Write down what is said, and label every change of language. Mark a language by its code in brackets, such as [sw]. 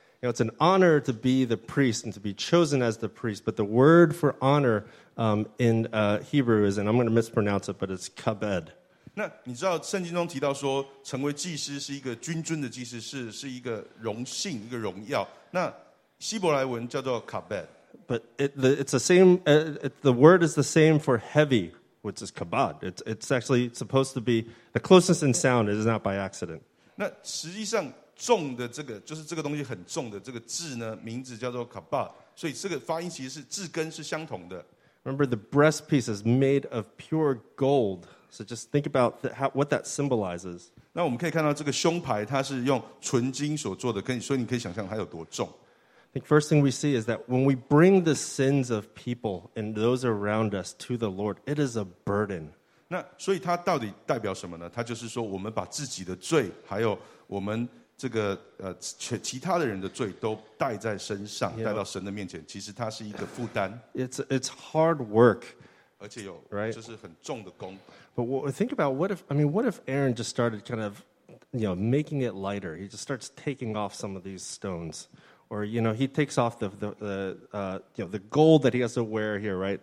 [en] You know, it's an honor to be the priest and to be chosen as the priest, but the word for honor in Hebrew is, and I'm going to mispronounce it, but it's kabed. [zh] 那你知道圣经中提到说，成为祭司是一个君尊的祭司，是一个荣幸，一个荣耀。那希伯来文叫做 kabed， [en] but it's the same. The word is the same for heavy. Which is kabod. It's actually supposed to be the closest in sound. It is not by accident. [zh] 那实际上重的这个就是这个东西很重的这个字呢，名字叫做 kabod. 所以这个发音其实是字根是相同的。 [en] Remember, the breast piece is made of pure gold. So just think about what that symbolizes. [zh] 那我们可以看到这个胸牌它是用纯金所做的，所以你可以想象它有多重。 [en] I think first thing we see is that when we bring the sins of people and those around us to the Lord, it is a burden. [zh] 那所以它到底代表什么呢？它就是说我们把自己的罪，还有我们这个其他的人的罪都带在身上，带到神的面前。其实它是一个负担。 [en] It's hard work. [zh] 而且有， [en] right? [zh] 就是很重的工。 [en] But think about what if Aaron just started kind of, you know, making it lighter? He just starts taking off some of these stones. Or, you know, he takes off the gold that he has to wear here, right?